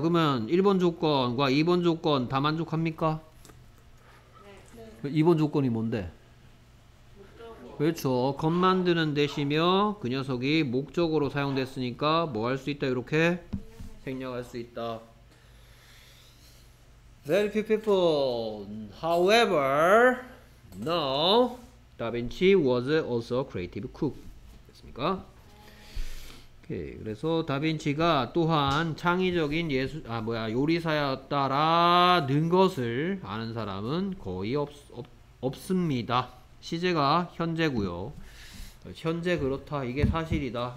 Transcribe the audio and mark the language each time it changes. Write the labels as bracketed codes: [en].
[ko] 그러면 1번 조건과 2번 조건 다 만족합니까? 네. 2번 조건이 뭔데? 그렇죠. 겉 만드는 대시며 그 녀석이 목적으로 사용됐으니까 뭐 할 수 있다 이렇게? 생략할 수 있다. [en] Very few people, however, know 다빈치 was also a creative cook. [ko] 됐습니까? 오케이. 그래서 다빈치가 또한 창의적인 요리사였다라는 것을 아는 사람은 거의 없습니다. 시제가 현재고요. 현재 그렇다. 이게 사실이다.